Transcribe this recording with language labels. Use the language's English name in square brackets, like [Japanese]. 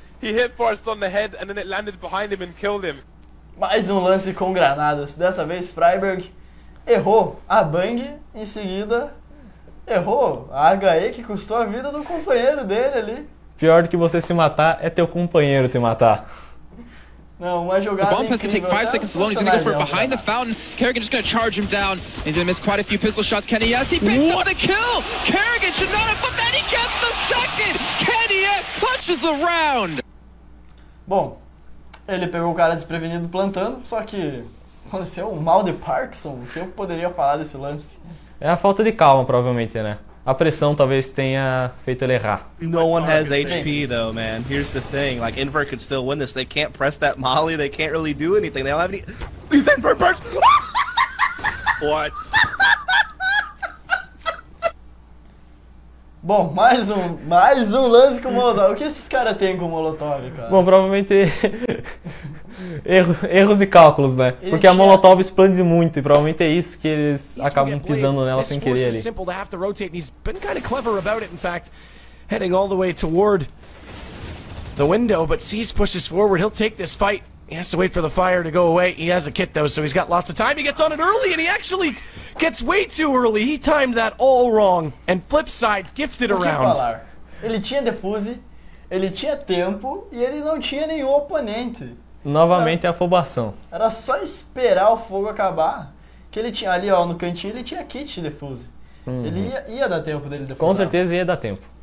[English] He hit Forrest on the head and then it landed behind him and killed him. [Portuguese] Mais um lance com granadas. Dessa vez, Freiberg errou a bang, em seguida... errou a HE que custou a vida do companheiro dele ali. Pior do que você se matar é teu companheiro te matar. Não, uma jogada. [English] The bomb pass can take 5 seconds alone. He's gonna go for it behind the fountain. Kerrigan just gonna charge him down. He's gonna miss quite a few pistol shots. Kenny S, he picks up the kill! Kerrigan should not have put that, he gets the second! Kenny S clutches the round! [Portuguese] Bom, ele pegou o cara desprevenido plantando, só que aconteceu um mal de Parkinson. O que eu poderia falar desse lance? É a falta de calma, provavelmente, né? A pressão talvez tenha feito ele errar. [English] No one has HP, though, man. Here's the thing. Like, Invert could still win this. They can't press that molly. They can't really do anything. They don't have any... He's Invert burst! What? [Portuguese] Bom, mais um lance com o Molotov. O que esses caras têm com o Molotov, cara? Bom, provavelmente... erros de cálculos, né? Porque a Molotov expande muito e provavelmente é isso que eles acabam pisando nela sem querer ali. [English] Simple to have to rotate and he's been kind of clever about it, in fact, heading all the way toward the window, but Cease pushes forward, he'll take this fight. He has to wait for the fire to go away. He has a kit though, so he's got lots of time. He gets on it early and he actually gets way too early. He timed that all wrong and flip side gifted around. [Portuguese] Ele tinha defuse, ele tinha tempo e ele não tinha nenhum oponente. Novamente a afobação. Era só esperar o fogo acabar, que ele tinha ali, ó, no cantinho, ele tinha kit defuse. Ele ia dar tempo dele defusar. Com certeza ia dar tempo.